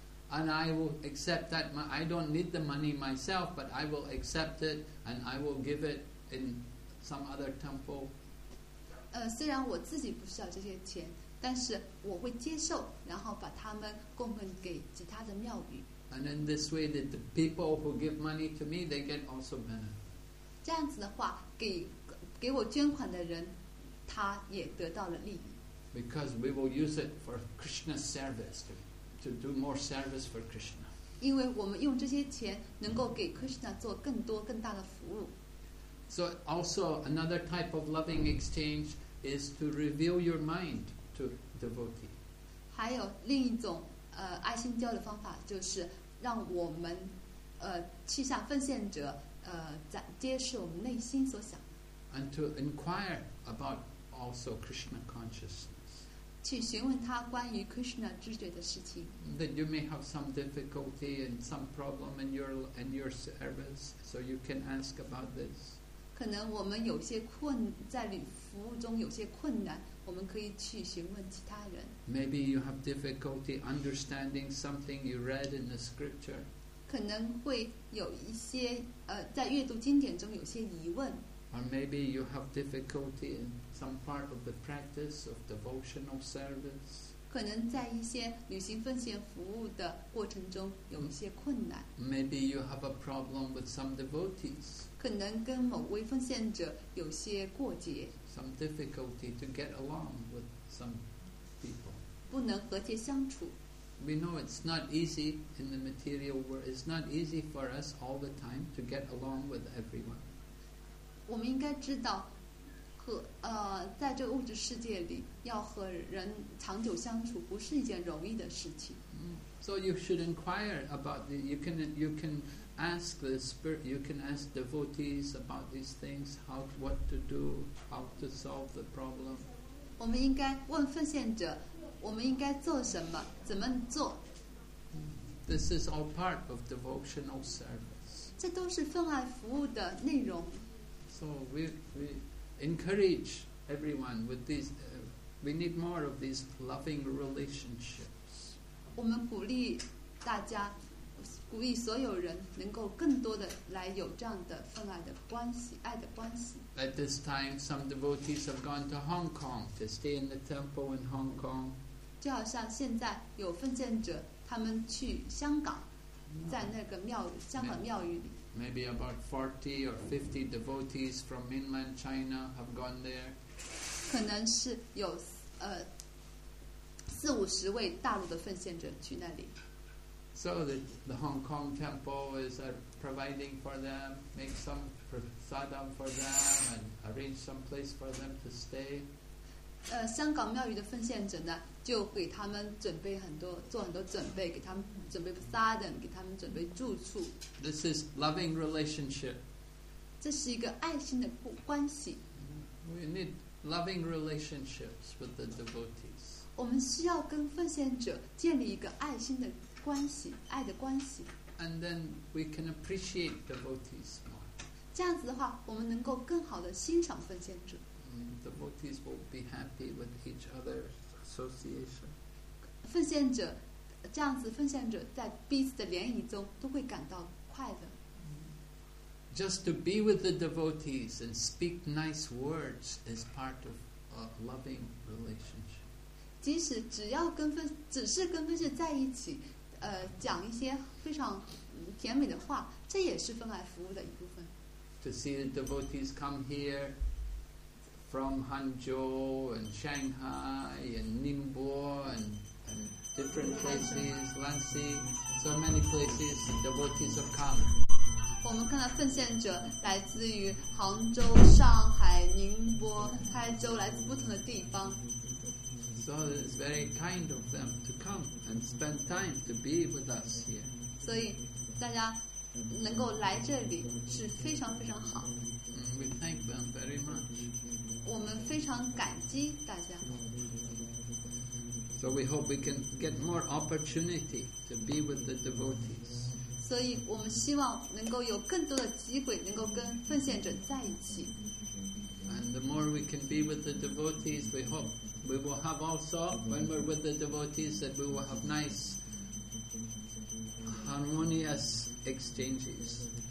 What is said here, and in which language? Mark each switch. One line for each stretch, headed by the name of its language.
English: And I will accept that. I don't need the money myself, but I will accept it and I will give it in some other temple.
Chinese: 虽然我自己不需要这些钱，但是我会接受，然后把他们供奉给其他的庙宇。
English: And in this way, that the people who give money to me, they get also benefit.
Chinese: 这样子的话，给我捐款的人，他也得到了利益。
English: Because we will use it for Krishna's service, to do more service for Krishna.
Chinese: 因为我们用这些钱能够给 Krishna 做更多更大的服务。
English: So also another type of loving exchange is to reveal your mind to devotee.
Chinese: 还有另一种。爱心交流的方法就是让我们去向奉献者揭示我们内心所想。
English: And to inquire about also Krishna consciousness.
Chinese: 去询问他关于 Krishna 知觉的事情。
English: That you may have some difficulty and some problem in your service, so you can ask about this.
Chinese: 可能我们有些困在服务中有些困难，我们可以去询问其他人。
English: Maybe you have difficulty understanding something you read in the scripture.
Chinese: 可能会有一些在阅读经典中有些疑问。
English: Or maybe you have difficulty in some part of the practice of devotional service.
Chinese: 可能在一些旅行奉献服务的过程中有一些困难。
English: Maybe you have a problem with some devotees.
Chinese: 可能跟某位奉献者有些过节。
English: Some difficulty to get along with some people.
Chinese: 不能和解相处。
English: We know it's not easy in the material world. It's not easy for us all the time to get along with everyone.
Chinese: 我们应该知道和在这个物质世界里要和人长久相处不是一件容易的事情。
English: So you should inquire about the, you can ask the spirit, you can ask devotees about these things, how, what to do, how to solve the problem.
Chinese: 我们应该问奉献者，我们应该做什么，怎么做。
English: This is all part of devotional service.
Chinese: 这都是奉爱服务的内容。
English: So we encourage everyone with these, we need more of these loving relationships.
Chinese: 我们鼓励大家，鼓励所有人能够更多的来有这样的分爱的关系，爱的关系。
English: At this time, some devotees have gone to Hong Kong to stay in the temple in Hong Kong.
Chinese: 就好像现在有奉献者，他们去香港，在那个庙，香港庙宇里。
English: Maybe about 40 or 50 devotees from mainland China have gone there.
Chinese: 可能是有四五十位大陆的奉献者去那里。
English: So the Hong Kong temple is providing for them, make some prasadam for them, and arrange some place for them to stay.
Chinese: 香港庙宇的奉献者呢，就给他们准备很多，做很多准备，给他们。准备 prasadam 给他们准备住处。
English: This is loving relationship.
Chinese: 这是一个爱心的关系。
English: We need loving relationships with the devotees.
Chinese: 我们需要跟奉献者建立一个爱心的关系，爱的关系。
English: And then we can appreciate devotees more.
Chinese: 这样子的话，我们能够更好的欣赏奉献者。
English: Devotees will be happy with each other's association.
Chinese: 奉献者。这样子奉献者在彼此的联谊中都会感到快乐。
English: Just to be with the devotees and speak nice words is part of a loving relationship.
Chinese: 即使只要跟分，只是跟分是在一起，讲一些非常甜美的话，这也是分爱服务的一部分。
English: To see the devotees come here from Hangzhou and Shanghai and Ningbo and different places, Lanxi, so many places devotees have come.
Chinese: 我们看到奉献者来自于杭州、上海、宁波、台州，来自不同的地方。
English: So it's very kind of them to come and spend time to be with us here.
Chinese: 所以大家能够来这里是非常非常好。
English: We thank them very much.
Chinese: 我们非常感激大家。
English: So we hope we can get more opportunity to be with the devotees.
Chinese: 所以我们希望能够有更多的机会能够跟奉献者在一起。
English: And the more we can be with the devotees, we hope we will have also, when we're with the devotees, that we will have nice, harmonious exchanges.